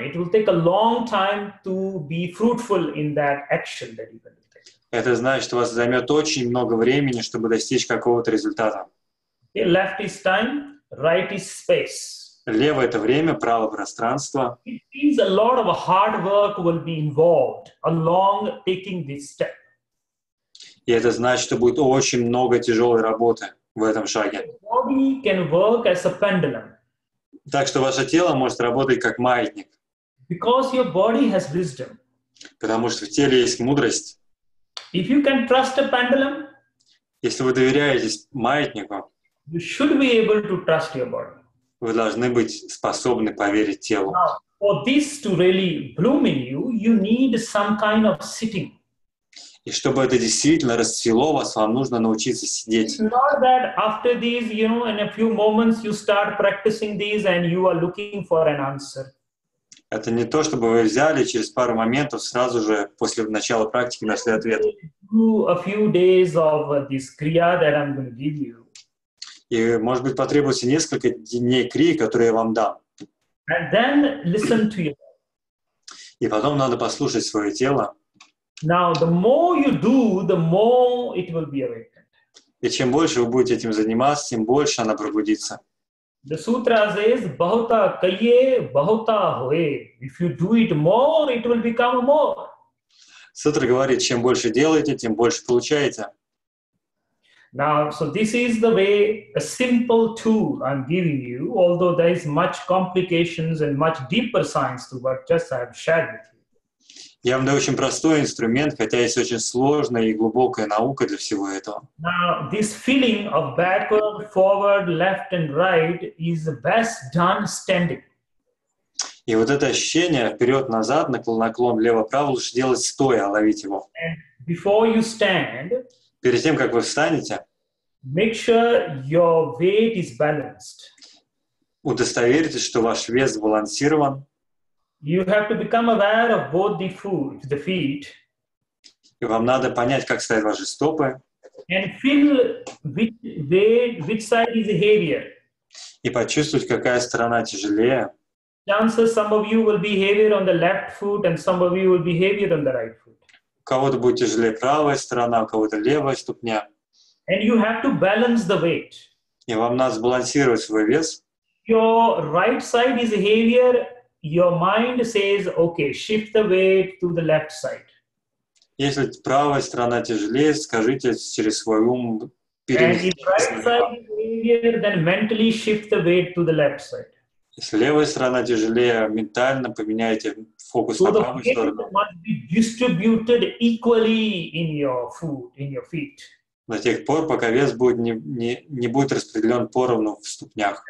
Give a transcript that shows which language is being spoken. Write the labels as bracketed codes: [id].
[en] It will take a long time to be fruitful in that action that you can take. [ru] Это значит, что вас займет очень много времени, чтобы достичь какого-то результата. [en] Okay, left is time, right is space. [ru] Лево — это время, право — пространство. [en] It means a lot of hard work will be involved along taking this step. [ru] И это значит, что будет очень много тяжелой работы в этом шаге. [en] Body can work as a pendulum. [ru] Так что ваше тело может работать как маятник. [en] Because your body has wisdom. [ru] Потому что в теле есть мудрость. [en] If you can trust a pendulum, [ru] если вы доверяетесь маятнику, [en] you should be able to trust your body. [ru] Вы должны быть способны поверить телу. [en] for this to really bloom in you, you need some kind of sitting. [ru] И чтобы это действительно расцвело, вас вам нужно научиться сидеть. [en] It's not that after these, you know, in a few moments you start practicing these and you are looking for an answer. [ru] Это не то, чтобы вы взяли через пару моментов сразу же после начала практики нашли ответ. [en] A few days of this kriya that I'm going to give you. [ru] И, может быть, потребуется несколько дней крии, которые я вам дам. [en] And then listen to your... [ru] И потом надо послушать свое тело. [en] Now, the more you do, the more it will be awakened. [ru] И чем больше вы будете этим заниматься, тем больше она пробудится. [en] The sutra says, [hi] bahuta kaye, bahuta hoye. [en] If you do it more, it will become more. [ru] Сутра говорит, чем больше делаете, тем больше получаете. [en] Now, so this is the way, a simple tool I'm giving you, although there is much complications and much deeper science to what just I've shared with you. [ru] Я вам даю очень простой инструмент, хотя есть очень сложная и глубокая наука для всего этого. [en] Now, this feeling of backward, forward, left and right is best done standing. [ru] И вот это ощущение вперед-назад, наклон-наклон, лево-право, лучше делать стоя, ловить его. [en] And before you stand, [ru] перед тем, как вы встанете, [en] make sure your weight is balanced. [ru] Удостоверьтесь, что ваш вес сбалансирован. [en] You have to become aware of both the foot, the feet. [ru] И вам надо понять, как стоят ваши стопы. [en] And feel which side is heavier. [ru] И почувствовать, какая сторона тяжелее. [en] Chances some of you will be heavier on the left foot, and some of you will be heavier on the right foot. [ru] У кого-то будет тяжелее правая сторона, у кого-то левая ступня. [en] And you have to balance the weight. [ru] И вам надо сбалансировать свой вес. [en] Your right side is heavier. Your mind says, okay, shift the weight to the left side. [ru] Если правая сторона тяжелее, скажите через свой ум, перенести. [en] And if right side is heavier, then mentally shift the weight to the left side. [ru] Если левая сторона тяжелее, ментально поменяйте фокус на правую сторону. [en] So the weight must be distributed equally in your foot, in your feet. [ru] До тех пор, пока вес будет не будет распределен поровну в ступнях.